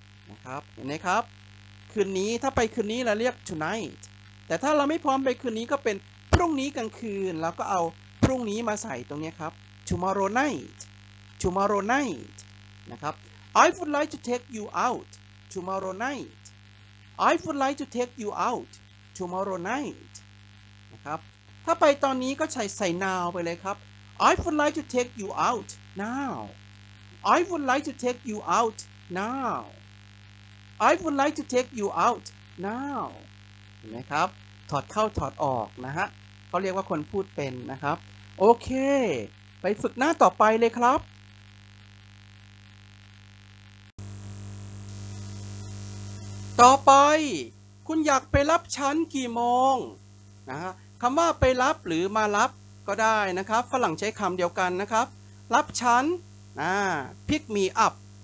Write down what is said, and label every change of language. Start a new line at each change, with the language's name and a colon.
Thai: นะครับเห็นไหมครับคืนนี้ถ้าไปคืนนี้เราเรียก tonight แต่ถ้าเราไม่พร้อมไปคืนนี้ก็เป็นพรุ่งนี้กลางคืนเราก็เอาพรุ่งนี้มาใส่ตรงนี้ครับ tomorrow night tomorrow night นะครับ
English: I would like to take you out tomorrow night I would like to take you out tomorrow night นะครับถ้าไปตอนนี้ก็ใส่ now ไปเลยครับ I would like to take you outNow, I would like to take you out now. I would like to take you out now.
Thai: เห็นไหมครับถอดเข้าถอดออกนะฮะเขาเรียกว่าคนพูดเป็นนะครับโอเคไปฝึกหน้าต่อไปเลยครับต่อไปคุณอยากไปรับฉันกี่โมงนะฮะคำว่าไปรับหรือมารับก็ได้นะครับฝรั่งใช้คำเดียวกันนะครับรับฉัน
English: pick me up